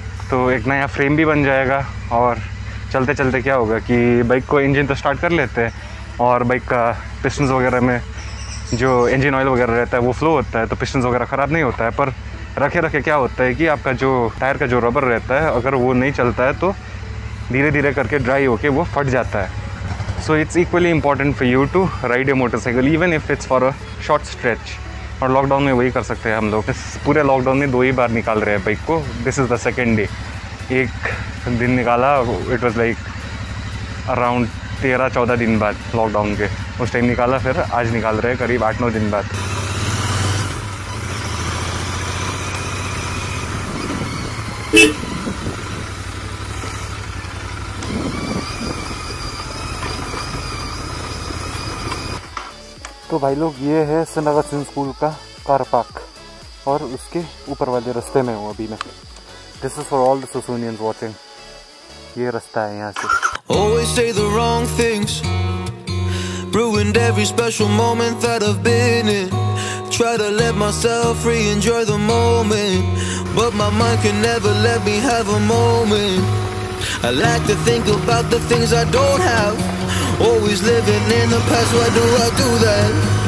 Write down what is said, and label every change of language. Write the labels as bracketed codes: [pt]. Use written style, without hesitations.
[hi] तो एक नया फ्रेम भी बन जाएगा, और चलते चलते क्या होगा कि बाइक को इंजन तो स्टार्ट कर लेते हैं, और बाइक का पिस्टन्स वगैरह में जो इंजन ऑयल वगैरह रहता है वो फ्लो होता है, तो पिस्टन्स वगैरह ख़राब नहीं होता है। पर रखे रखे क्या होता है कि आपका जो टायर का जो रबर रहता है, अगर वो नहीं चलता है तो धीरे धीरे करके ड्राई होके वो फट जाता है। [en] So it's equally important for you to ride your motorcycle even if it's for a short stretch. [hi] और lockdown में वही कर सकते हैं हम लोग। पूरे lockdown में 2 ही बार निकाल रहे हैं बाइक को, [en] this is the second day। [hi] एक दिन निकाला, [en] it was like around [hi] 13-14 दिन बाद lockdown के, उस time निकाला, फिर आज निकाल रहे हैं करीब 8-9 दिन बाद। तो भाई लोग, ये है सनागर सिंह स्कूल का कार पार्क और उसके ऊपर वाले रास्ते में हूँ अभी मैं। [en] This is for all the Sassoonians watching. [hi] ये रास्ता है यहाँ से। [en] Always say the wrong things, ruined every special moment that I've been in. Try to let myself free, enjoy the moment, but my mind can never let me have a moment. I like to think about the things I don't have. Always living in the past, why do I do that?